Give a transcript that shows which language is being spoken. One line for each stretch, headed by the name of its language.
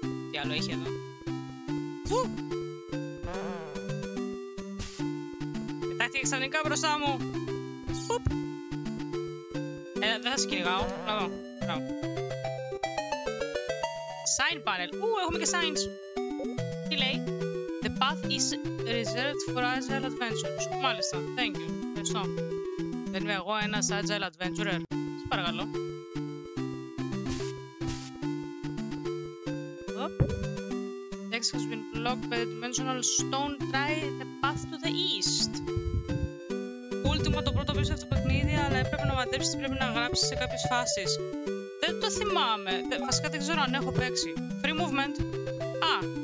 Greek: Τι άλλο έχει εδώ. Φου! Πετάχτηκε ξανικά μπροστά μου. Φουπ! Δεν θα σε κυνηγάω. Να δω.
English: Sign panel.
Greek: Ου, έχουμε και signs. Τι λέει.
English: The path is reserved for agile adventurers.
Greek: Μάλιστα.
English: Thank you.
Greek: Ευχαριστώ. Δεν είμαι εγώ ένας agile adventurer. Σε παρακαλώ.
English: Has been blocked by the dimensional stone. Try the path to the east.
Greek: Ultima, το πρώτο βίντεο στο παιχνίδι, αλλά έπρεπε να μαντέψεις τι πρέπει να γράψεις σε κάποιες φάσεις. Δεν το θυμάμαι. Βασικά δεν ξέρω αν έχω παίξει.
English: Free movement.
Greek: Α!